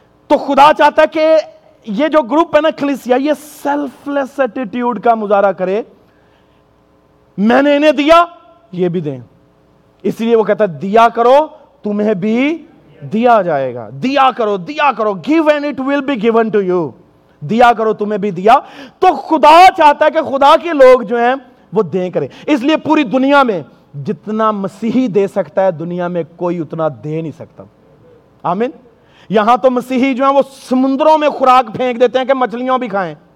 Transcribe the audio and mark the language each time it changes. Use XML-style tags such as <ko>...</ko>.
<ur>تو خدا چاہتا ہے کہ یہ جو گروپ ہے نا کلیسیا, یہ سیلف لیس ایٹیٹیوڈ کا مظاہرہ کرے. میں نے انہیں دیا یہ بھی دیں. اس لیے وہ کہتا ہے دیا کرو تمہیں بھی دیا جائے گا. دیا کرو, دیا کرو,</ur> <en>give and it will be given to you.</en> <ur>دیا کرو تمہیں بھی دیا. تو خدا چاہتا ہے کہ خدا کے لوگ جو ہیں وہ دیں کریں. اس لیے پوری دنیا میں جتنا مسیحی دے سکتا ہے دنیا میں کوئی اتنا دے نہیں سکتا. آمین. یہاں تو مسیحی جو ہیں وہ سمندروں میں خوراک پھینک دیتے ہیں کہ مچھلیوں بھی کھائیں.</ur>